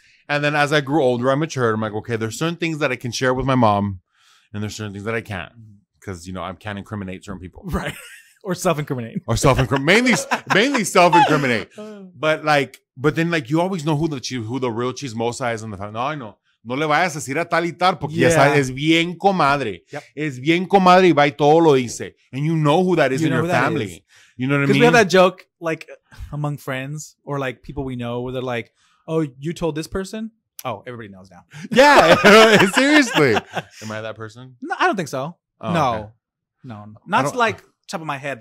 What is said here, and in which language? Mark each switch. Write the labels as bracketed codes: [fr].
[en] And then as I grew older, I matured. I'm like, okay, there's certain things that I can share with my mom, and there's certain things that I can't because you know I can't incriminate certain people, right? Or self-incriminate. Or mainly self-incriminate. But then you always know who the real chismosa is in the family. No, I know. [es] No le vayas a decir a tal y tal porque ya sabes, es bien comadre. [en] Yep. [es] Es bien comadre y va y todo lo dice. [en] And you know who that is in your family. You know what I mean? Because we have that joke like among friends or like people we know where they're like, oh, you told this person? Oh, everybody knows now. Yeah. Seriously. Am I that person? No, I don't think so. Oh, no. Okay. No. Not like top of my head.